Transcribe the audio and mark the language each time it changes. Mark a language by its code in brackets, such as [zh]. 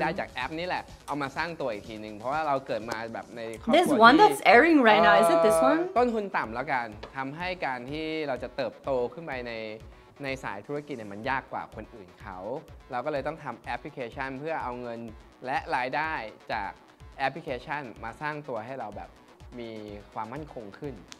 [th] ได้จากแอปนี่แหละเอามาสร้างตัวอีกทีนึงเพราะว่าเราเกิดมาแบบในครอบครัว [en] There's one that's airing right now is it this one [th] ต้นทุนต่ำแล้วกันทำให้การที่เราจะเติบโตขึ้นไปในสายธุรกิจเนี่ยมันยากกว่าคนอื่นเขาเราก็เลยต้องทำแอปพลิเคชันเพื่อเอาเงินและรายได้จากแอปพลิเคชันมาสร้างตัวให้เราแบบมีความมั่นคงขึ้น